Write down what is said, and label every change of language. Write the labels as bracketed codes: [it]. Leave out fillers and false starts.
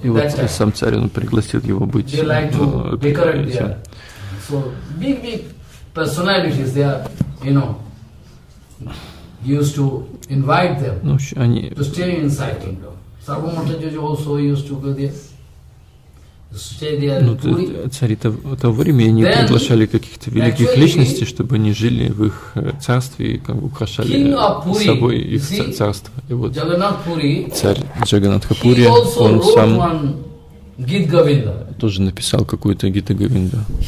[ru] И вот сам царь, он пригласил его быть. [en] They like to decorate there. So big personalities, they are, you know, used to invite them to stay inside kingdom. Sarva Mata Jojo also used to go there. [ru] Ну, цари того времени, они приглашали каких-то великих личностей, чтобы они жили в их царстве и как бы украшали собой их царство. И вот царь Джаганатхапури, он сам тоже написал какую-то Гита Говинда.